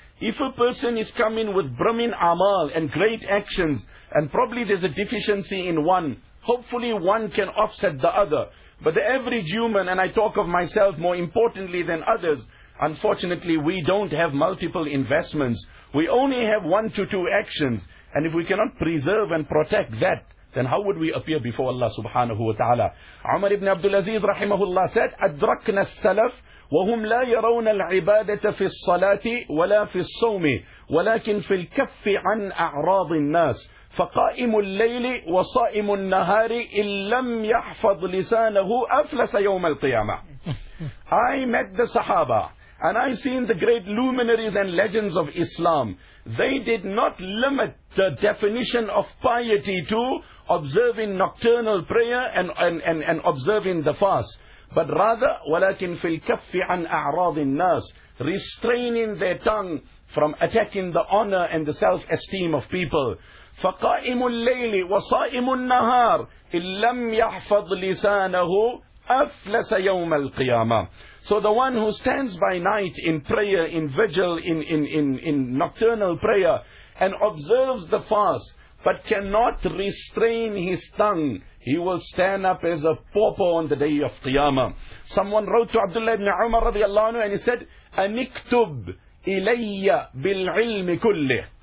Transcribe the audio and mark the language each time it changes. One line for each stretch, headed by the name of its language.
English: If a person is coming with brimming amal and great actions, and probably there's a deficiency in one, hopefully one can offset the other. But the average human, and I talk of myself more importantly than others, unfortunately we don't have multiple investments. We only have 1 to 2 actions. And if we cannot preserve and protect that, then how would we appear before Allah subhanahu wa ta'ala? Umar ibn Abdulaziz rahimahullah said,
Arabic: أَدْرَكْنَا السَّلَفْ وَهُمْ لَا يَرَوْنَ الْعِبَادَةَ فِي الصَّلَاةِ وَلَا فِي الصَّوْمِ وَلَكِنْ فِي الْكَفِّ عَنْ أَعْرَاضِ النَّاسِ فقائم الليل وصائم النهار إن لم يحفظ لسانه أفلس يوم القيامة.
English: I met the Sahaba and I seen the great luminaries and legends of Islam. They did not limit the definition of piety to observing nocturnal prayer and observing the fast, but rather
Arabic: ولكن في الكف عن أعراض الناس,
English: restraining their tongue from attacking the honor and the self-esteem of people.
Arabic: فقائم الليل وصائم النهار إن لم يحفظ لسانه أفلس يوم القيامة.
English: So the one who stands by night in prayer, in vigil, in nocturnal prayer, and observes the fast, but cannot restrain his tongue, he will stand up as a pauper on the day of Qiyamah. Someone wrote to Abdullah ibn Umar radiallahu anhu and he said,
Arabic: أنكتب إلي بالعلم كله.